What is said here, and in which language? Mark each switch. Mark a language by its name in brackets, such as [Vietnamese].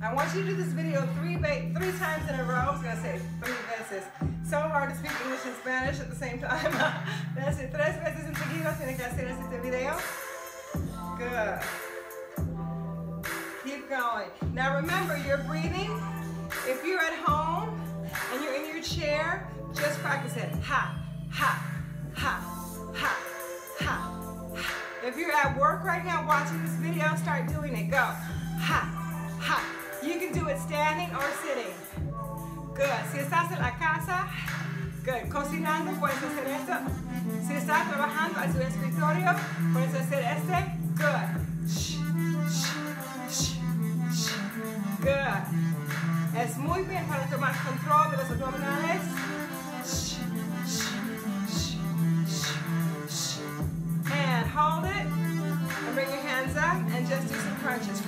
[English] I want you to do this video three times in a row. I was going to say three veces. So hard to speak English and Spanish at the same time. That's it. [Spanish] Tres veces en seguido tiene que hacer este video. [English] Good. Keep going. Now remember, you're breathing. If you're at home and you're in your chair, just practice it. Ha, ha, ha, ha, ha, ha. If you're at work right now watching this video, start doing it. Go. Ha, ha. You can do it standing or sitting. Good. [Spanish] Si estás en la casa, good. Cocinando, puedes hacer esto. Si estás trabajando en tu escritorio, puedes hacer este. Good. Shh, shh, shh, shh. Good. Es muy bien para tomar control de los abdominales. [English] And hold it. And bring your hands up and just do some crunches.